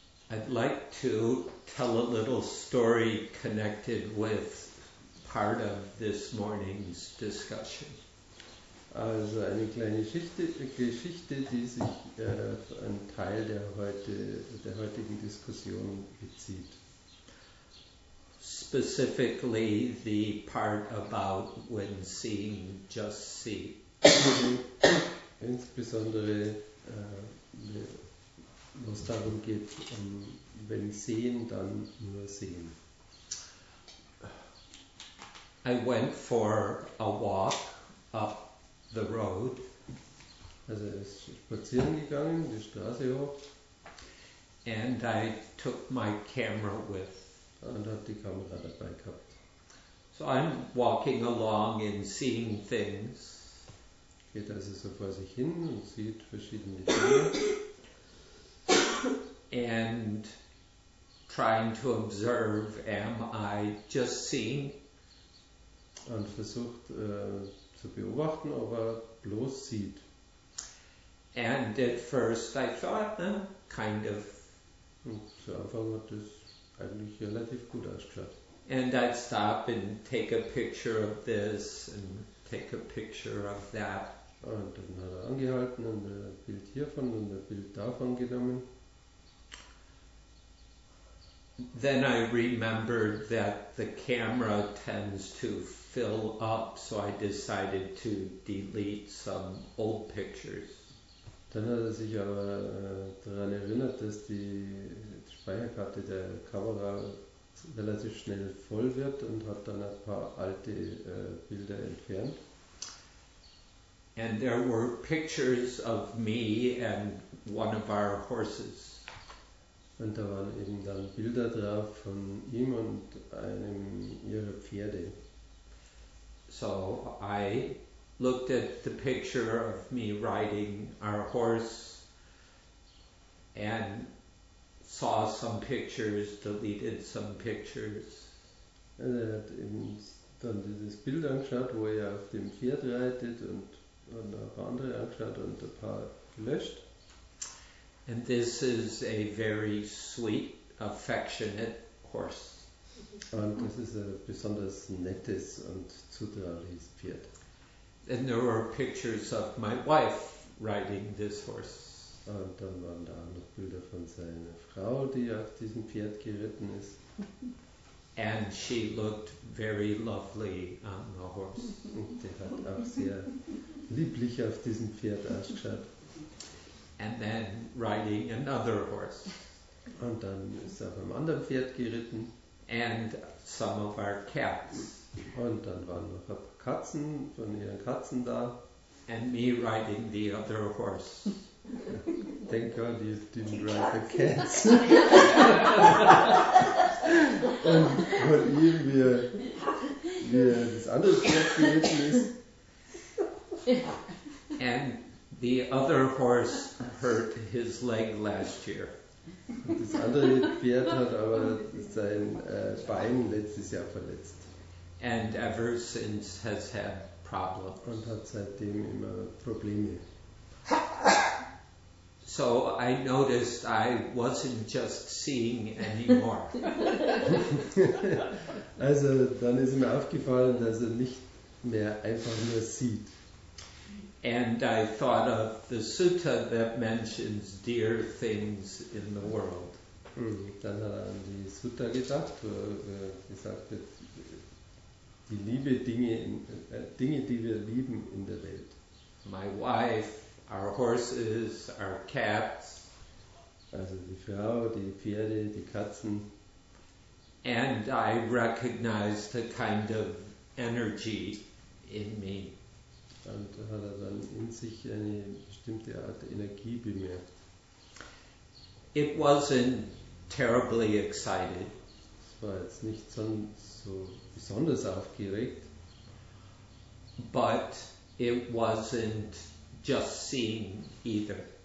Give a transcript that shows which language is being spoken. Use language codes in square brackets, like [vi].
[en] I'd like to tell a little story connected with part of this morning's discussion. [de] Also eine kleine Geschichte, die sich auf einen Teil der heutigen Diskussion bezieht. [en] Specifically the part about when seeing, just see. [de] Insbesondere, was darum geht, wenn sehen, dann nur sehen. [en] I went for a walk up the road. [de] Also ist spazieren gegangen, die Straße hoch. [en] And I took my camera with. [de] Und hat die Kamera dabei gehabt. [en] So I'm walking along and seeing things. [de] Geht also so vor sich hin und sieht verschiedene Dinge. [en] And trying to observe, am I just seeing? [de] Und versucht zu beobachten, ob er bloß sieht. [en] And at first I thought, kind of. [de] Und zu Anfang hat das eigentlich relativ gut ausgeschaut. [en] And I'd stop and take a picture of this and take a picture of that. [de] Und dann hat er angehalten und ein Bild hiervon und ein Bild davon genommen. [en] Then I remembered that the camera tends to fill up, so I decided to delete some old pictures. [de] Dann hat er sich aber daran erinnert, dass die Speicherkarte der Kamera relativ schnell voll wird und hat dann ein paar alte Bilder entfernt. [en] And there were pictures of me and one of our horses. [de] Und da waren eben dann Bilder drauf von ihm und einem ihrer Pferde. [en] So I looked at the picture of me riding our horse and saw some pictures, deleted some pictures. [de] Er hat eben dann dieses Bild angeschaut, wo er auf dem Pferd reitet und ein paar andere angeschaut und ein paar gelöscht. [en] And this is a very sweet, affectionate horse. [de] Und das ist ein besonders nettes und zutrauliches Pferd. [en] And there were pictures of my wife riding this horse. [de] Und dann waren da noch Bilder von seiner Frau, die auf diesem Pferd geritten ist. [en] And she looked very lovely on the horse. [de] Und die hat auch sehr lieblich auf diesem Pferd ausgeschaut. [en] And then riding another horse. [de] Und dann ist auf einem anderen Pferd geritten. [en] And some of our cats. [de] Und dann waren noch ein paar Katzen von ihren Katzen da. [en] And me riding the other horse. Thank God you didn't ride the cats. [de] Und von ihm, wie das andere Pferd geritten ist. [en] And the other horse hurt his leg last year. [de] Das andere Pferd hat aber sein Bein letztes Jahr verletzt. [en] And ever since has had problems. [de] Und hat seitdem immer Probleme. [en] So I noticed I wasn't just seeing anymore. [de] Also dann ist mir aufgefallen, dass er nicht mehr einfach nur sieht. [en] And I thought of the sutta that mentions dear things in the world. [de] Dann hat er an die Sutta gedacht, wo er gesagt hat, die Liebe, Dinge, die wir lieben in der Welt. [en] My wife, our horses, our cats. [de] Also die Frau, die Pferde, die Katzen. [en] And I recognized a kind of energy in me. [de] Und hat er dann in sich eine bestimmte Art Energie bemerkt. [en] It wasn't terribly excited. [de] Es war jetzt nicht so besonders aufgeregt. [en] But it wasn't just seeing either.